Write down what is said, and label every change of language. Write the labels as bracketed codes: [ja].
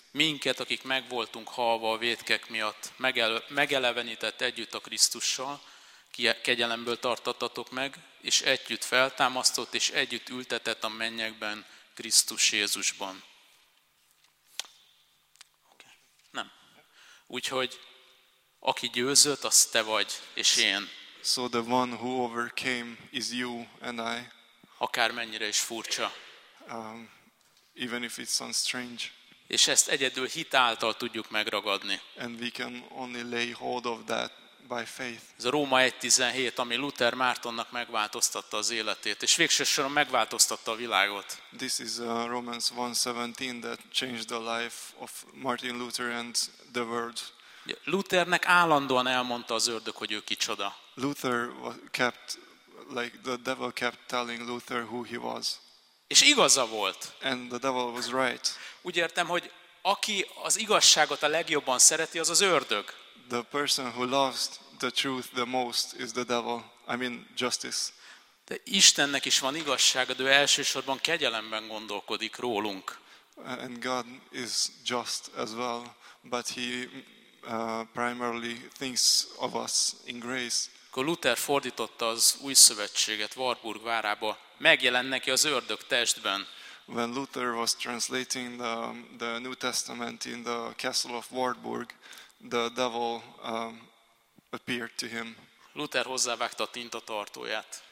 [hu] Minket, akik megvoltunk halva a vétkek miatt, megelevenített együtt a Krisztussal, kegyelemből tartottatok meg, és együtt feltámasztott, és együtt ültetett a mennyekben Krisztus Jézusban. Úgyhogy aki győzött, az te vagy és én. [en] So the one who overcame is you and I. [hu] Akármennyire is furcsa. [en] Even if it sounds strange. [hu] És ezt egyedül hit által tudjuk megragadni. [en] And we can only lay hold of that by faith. [hu] Ez a Róma 1:17, ami Luther Mártonnak megváltoztatta az életét, és végső soron megváltoztatta a világot. [en] This is Romans 1:17 that changed the life of Martin Luther and the world. [hu] Luthernek állandóan elmondta az ördög, hogy ő kicsoda. [en] Luther kept, like the devil kept telling Luther who he was. [hu] És igaza volt. [en] And the devil was right. [hu] Úgy értem, hogy aki az igazságot a legjobban szereti, az az ördög. [en] The person who loves the truth the most is the devil. I mean justice. [hu] De Istennek is van igazsága, de ő elsősorban kegyelemben gondolkodik rólunk. [en] And God is just as well, but he primarily thinks of us in grace. [hu] Akkor Luther fordította az új szövetséget Wartburg várába. Megjelent neki az ördög testben. [en] When Luther was translating the New Testament in the castle of Wartburg, the devil appeared to him. [hu] Luther hozzávágta a tintatartóját.